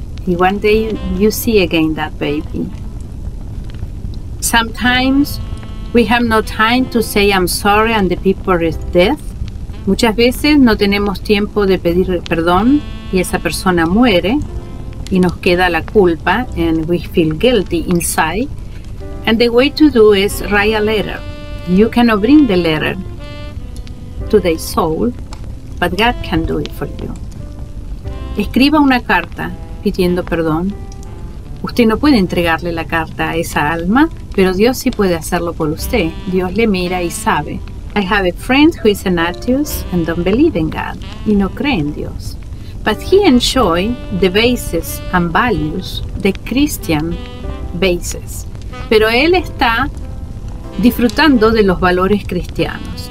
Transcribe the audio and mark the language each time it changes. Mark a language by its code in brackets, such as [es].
[en] One day you see again that baby. Sometimes we have no time to say I'm sorry and the people is dead. [es] Muchas veces no tenemos tiempo de pedir perdón y esa persona muere y nos queda la culpa, [en] and we feel guilty inside. And the way to do is write a letter. You cannot bring the letter to the soul, but God can do it for you. [es] Escriba una carta pidiendo perdón. Usted no puede entregarle la carta a esa alma, pero Dios sí puede hacerlo por usted. Dios le mira y sabe. [en] I have a friend who is an atheist and don't believe in God, [es] y no cree en Dios. [en] But he enjoys the basis and values, the Christian basis. [es] Pero él está disfrutando de los valores cristianos.